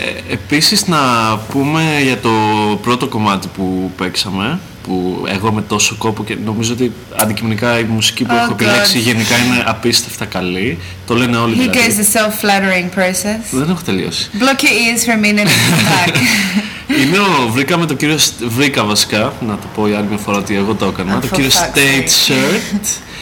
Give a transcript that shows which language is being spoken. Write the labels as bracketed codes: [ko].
[el] Επίσης να πούμε για το πρώτο κομμάτι που παίξαμε, που εγώ με τόσο κόπο και νομίζω ότι αντικειμενικά η μουσική που έχω επιλέξει γενικά είναι απίστευτα καλή. Το λένε όλοι. [en] Here goes the self-flattering process. [el] Δεν έχω τελειώσει. [en] Block your ears for a minute and come back. [el] Βρήκαμε το κύριο... Βρήκα βασικά, να το πω για άλλη μια φορά ότι εγώ το έκανα, το κύριο State Shirt.